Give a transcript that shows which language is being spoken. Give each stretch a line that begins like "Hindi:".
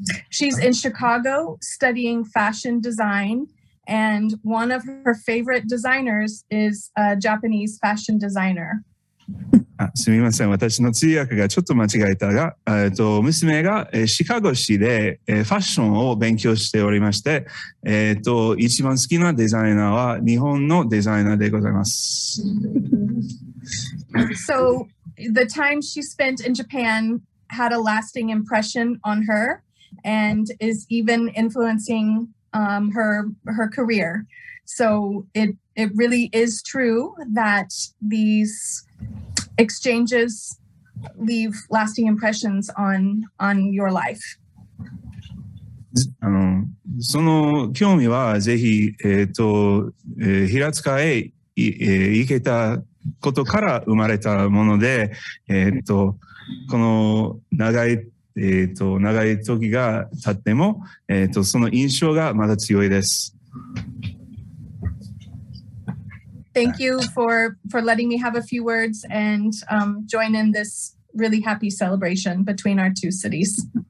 English: She's in Chicago studying fashion design, and one of her favorite designers is a Japanese fashion designer.
Japanese: あ、すみません。私の通訳がちょっと間違えたが、娘が、シカゴ市で、ファッションを勉強しておりまして、一番好きなデザイナーは日本のデザイナーでございます。
English: So the time she spent in Japan had a lasting impression on her and is even influencing her career. So it really is true that these exchanges leave lasting impressions on your life.
Japanese: その興味はぜひ平塚へ行けたことから生まれたもので、この長い時が経っても、その印象がまだ強いです。
English: Thank you for letting me have a few words and join in this really happy celebration between our two cities.